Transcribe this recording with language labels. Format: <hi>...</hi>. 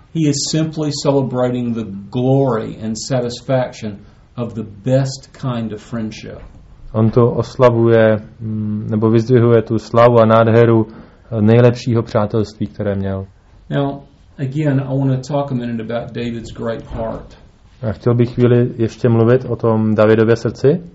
<en>He is simply celebrating the glory and satisfaction of the best kind of friendship.</en> <cs>On to oslavuje nebo vyzdvihuje tu slavu a nádheru nejlepšího přátelství, které měl.</cs> <en>Now, again, I want to talk a minute about David's great heart.</en> <cs>A chtěl bych chvíli ještě mluvit o tom Davidově srdci.</cs>